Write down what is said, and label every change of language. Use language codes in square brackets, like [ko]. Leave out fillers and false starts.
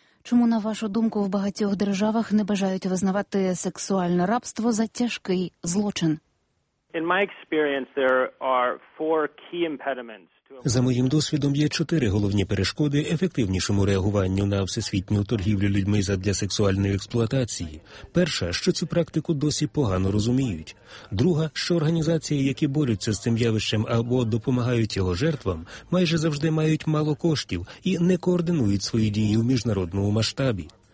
[uk] Чому, на вашу думку, в багатьох державах не бажають визнавати сексуальне рабство за тяжкий злочин? [en] In my experience, there are four key impediments. [uk] За моїм досвідом, є чотири головні перешкоди ефективнішому реагуванню на всесвітню торгівлю людьми задля сексуальної експлуатації. Перша, що цю практику досі погано розуміють. Друга, що організації, які борються з цим явищем або допомагають його жертвам, майже завжди мають мало коштів і не координують свої дії в міжнародному масштабі.